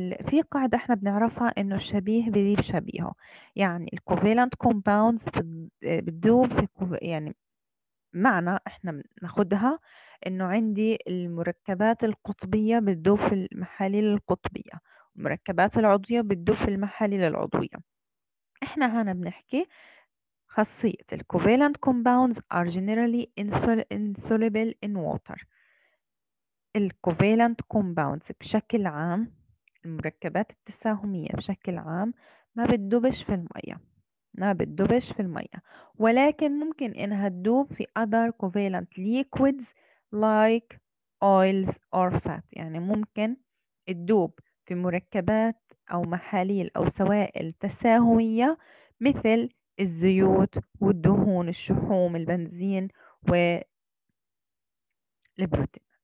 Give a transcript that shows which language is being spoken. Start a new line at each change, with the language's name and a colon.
Arabic: في قاعدة احنا بنعرفها انه الشبيه بيذيب شبيهه، يعني الكوفيلانت كومباوندز بتدوب في يعني معنى احنا بناخدها انه عندي المركبات القطبية بتدوب في المحاليل القطبية، المركبات العضوية بتدوب في المحاليل العضوية. احنا هنا بنحكي خاصية الـ
English: covalent compounds are generally insoluble in water.
Arabic: الـ covalent compounds بشكل عام، المركبات التساهمية بشكل عام ما بتدوبش في المية، ما بتدوبش في المية، ولكن ممكن إنها تدوب في
English: other covalent liquids like oils or fat،
Arabic: يعني ممكن تدوب في مركبات أو محاليل أو سوائل تساهمية مثل الزيوت والدهون الشحوم البنزين والبروتين.